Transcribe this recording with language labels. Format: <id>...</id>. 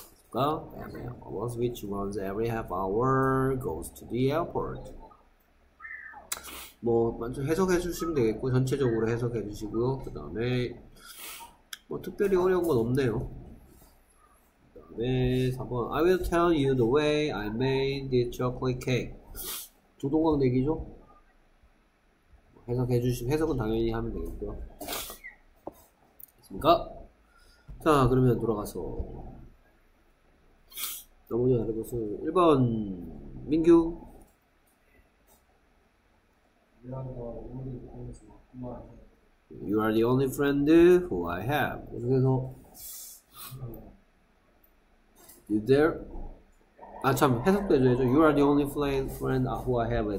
<ko>그러니까</ko> <en>Which runs every half hour goes to the airport.</en> <ko>뭐 해석해 주시면 되겠고 전체적으로 해석해 주시고요. 그다음에 뭐 특별히 어려운 건 없네요. 그다음에 4번.</ko> <en>I will tell you the way I made the chocolate cake.</en> <ko>두 동강 내기죠? 해석은 당연히 하면 되겠고요. 됐습니까? 자, 그러면 돌아가서. 나머지 다른 것은 1번, 민규.</ko> <en>You are the only friend who I have.</en> <ko>계속해서.</ko> <en>You there?</en> <ko>아, 참, 해석도 해줘야죠.</ko> <en>You are the only friend who I have.</en>